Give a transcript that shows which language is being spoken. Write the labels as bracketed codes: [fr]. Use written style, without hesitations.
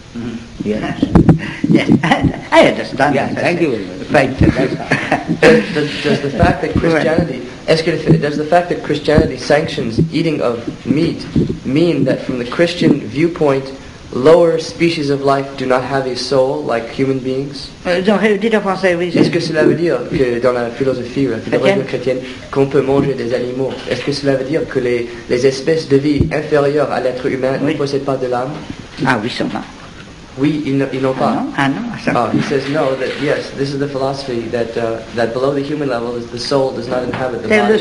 [en] I understand. Thank you very much. Right. does the fact that Christianity sanctions eating of meat mean that from the Christian viewpoint lower species of life do not have a soul like human beings? [fr] Est-ce que cela veut dire que dans la philosophie chrétienne qu'on peut manger des animaux? Est-ce que cela veut dire que les espèces de vie inférieures à l'être humain ne possèdent pas de l'âme? Ah oui, sûrement. Oui, ils n'ont pas. Ah non. [en] He says no. That yes, this is the philosophy that that below the human level, is the soul does not inhabit the body.